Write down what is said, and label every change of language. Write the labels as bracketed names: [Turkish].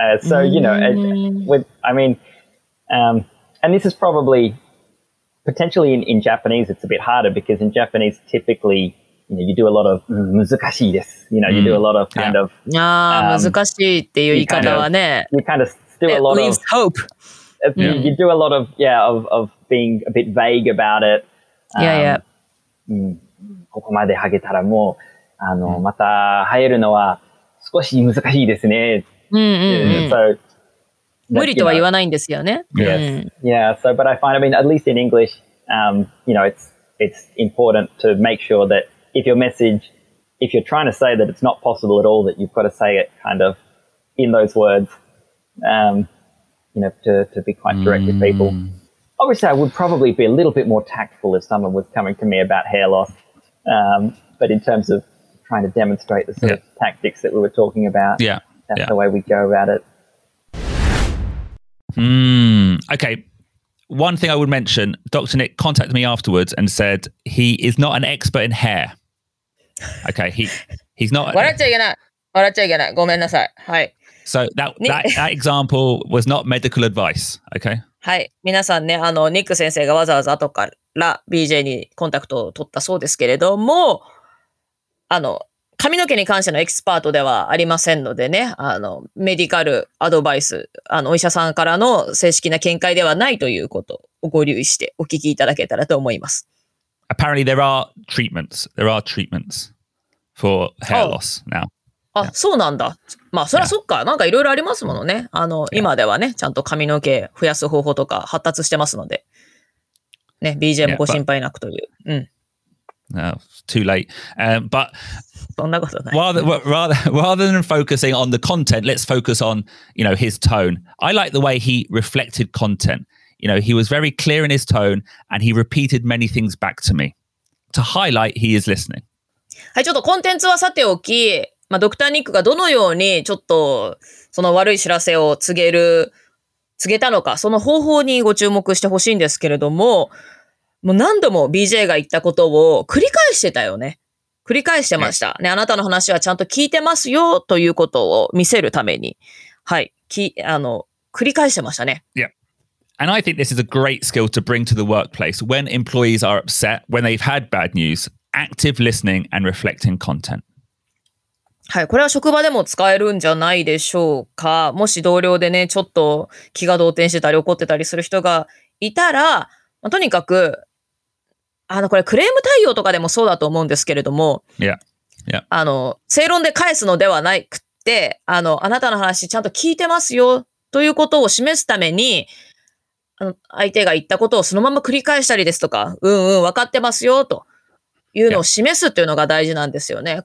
[English] So, you know, and this is probably potentially in Japanese, it's a bit harder because in Japanese, typically, you know, you do a lot of [Japanese] muzukashii desu. [English] You know, you do a lot of kind of... [Japanese] Ah, muzukashii っていう言い方はね。 [English] You kind of do a lot of... It leaves hope. You do a lot of, of being a bit vague about it. [Japanese] ここまで剥げたらもう、あの、また生えるのは少し難しいですね。無理とは言わないんですよね。 [English] Yeah, so, but I find, I mean, at least in English, you know, it's important to make sure that if your message, if you're trying to say that it's not possible at all, that you've got to say it kind of in those words, you know, to be quite direct with people. Obviously, I would probably be a little bit more tactful if someone was coming to me about hair loss. But in terms of trying to demonstrate the sort of tactics that we were talking about, that's the way we go about it. Okay. One thing I would mention, Dr. Nick contacted me afterwards and said he is not an expert in hair. Okay, he's not. [Japanese] 笑っちゃいけない。笑っちゃいけない。ごめんなさい。はい。 [English] So that example was not medical advice, okay? [Japanese] はい。皆さんね、あの、ニック先生がわざわざ後から BJ にコンタクトを取ったそうですけれども、あの、髪の毛に関してのエキスパートではありませんのでね、あの、メディカルアドバイス、あの、お医者さんからの正式な見解ではないということをご留意してお聞きいただけたらと思います。 [English] Apparently there are treatments. There are treatments for hair loss now. [Japanese] あ、そうなんだ。まあ、そりゃそっか。なんかいろいろありますものね。あの、今ではね、ちゃんと髪の毛増やす方法とか発達してますので。ね、BJ もご心配なくという。 [English] Too late. But [Japanese] そんなことない。 [English] rather than focusing on the content, let's focus on, you know, his tone. I like the way he reflected content. You know, he was very clear in his tone and he repeated many things back to me to highlight he is listening. [Japanese] はい、ちょっとコンテンツはさておき、まあ、ドクターニックがどのようにちょっとその悪い知らせを告げたのか、その方法にご注目してほしいんですけれども、もう何度も BJ が言ったことを繰り返してたよね。繰り返してました。ね、あなたの話はちゃんと聞いてますよということを見せるために。はい。あの、繰り返してましたね。 [English] Yeah. And I think this is a great skill to bring to the workplace when employees are upset, when they've had bad news, active listening and reflecting content. [Japanese] はい。これは職場でも使えるんじゃないでしょうか。もし同僚でね、ちょっと気が動転してたり怒ってたりする人がいたら、まあ、とにかく、あの、これクレーム対応とかでもそうだと思うんですけれども、あの、正論で返すのではなくって、あの、あなたの話ちゃんと聞いてますよということを示すために、あの、相手が言ったことをそのまま繰り返したりですとか、うんうん、分かってますよというのを示すっていうのが大事なんですよね。